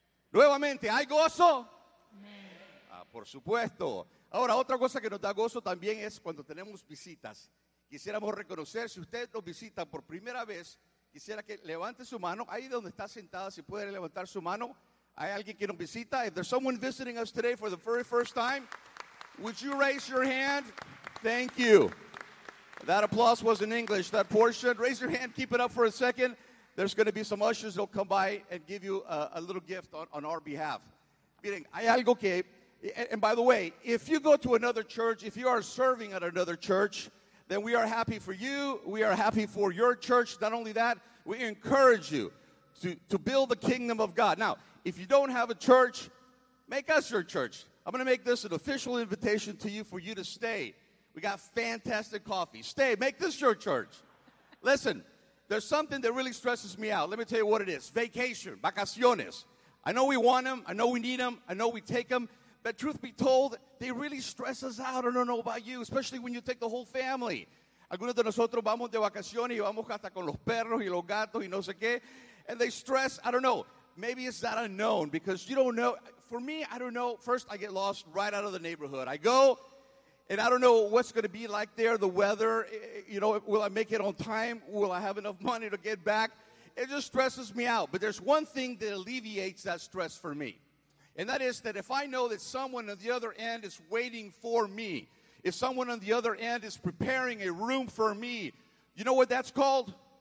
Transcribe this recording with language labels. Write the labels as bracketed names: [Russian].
[Spanish] Nuevamente, ¿hay gozo? Ah, por supuesto. Ahora, otra cosa que nos da gozo también es cuando tenemos visitas. Quisiéramos reconocer, si ustedes nos visitan por primera vez, quisiera que levante su mano. Ahí donde está sentada, si puede levantar su mano. ¿Hay alguien que nos visita? [English] If there's someone visiting us today for the very first time, would you raise your hand? Thank you. That applause was in English, that portion. Raise your hand, keep it up for a second. There's going to be some ushers that will come by and give you a little gift on our behalf. [Spanish] Miren, hay algo que, [English] and by the way, if you go to another church, if you are serving at another church, then we are happy for you, we are happy for your church. Not only that, we encourage you to build the kingdom of God. Now, if you don't have a church, make us your church. I'm going to make this an official invitation to you for you to stay. We got fantastic coffee. Stay. Make this your church. Listen, there's something that really stresses me out. Let me tell you what it is. Vacation. Vacaciones. I know we want them. I know we need them. I know we take them. But truth be told, they really stress us out. I don't know about you, especially when you take the whole family. [Spanish] Algunos de nosotros vamos de vacaciones y vamos hasta con los perros y los gatos y no sé qué. [English] And they stress. I don't know. Maybe it's that unknown because you don't know. For me, I don't know. First, I get lost right out of the neighborhood. I go. And I don't know what's going to be like there, the weather, you know, will I make it on time? Will I have enough money to get back? It just stresses me out. But there's one thing that alleviates that stress for me. And that is that if I know that someone on the other end is waiting for me, if someone on the other end is preparing a room for me, you know what that's called?